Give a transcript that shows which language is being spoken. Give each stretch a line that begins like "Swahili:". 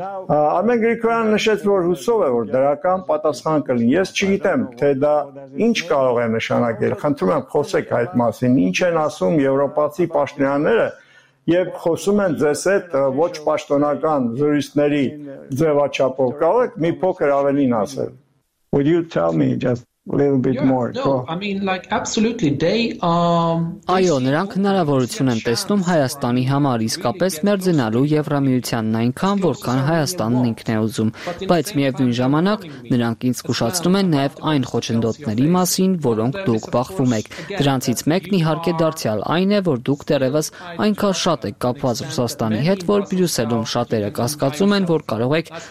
Armenian: Արմեն Գրիգորյանը նշեց, որ հուսով է, որ դրական պատասխան կլինի։ Ես չգիտեմ, թե դա ինչ կարող է նշանակել։ Խնդրում եմ, խոսեք այդ մասին։ Ինչ են ասում եվրոպացի պաշտոնյաները, եւ խոսում են ձեզ հետ ոչ պաշտոնական ժուրիստների ձևաչափով, կարող եք մի փոքր ավելին ասել։
English: Would you tell me just a little bit more? No, I mean like absolutely they
Armenian: Այո, նրանք հնարավորություն են տեսնում Հայաստանի համար իսկապես մերձնալու Եվրամիությանն այնքան, որքան Հայաստանն ինքն է ուզում, բայց միևնույն ժամանակ նրանք ինձ զգուշացնում են նաև այն խոչընդոտների մասին, որոնք դուք բախվում եք։ Դրանցից մեկն իհարկե դարձյալ այն է, որ դուք դեռևս այնքան շատ եք կապված Ռուսաստանի հետ, որ Բրյուսելում շատերը կասկածում են, որ կարող եք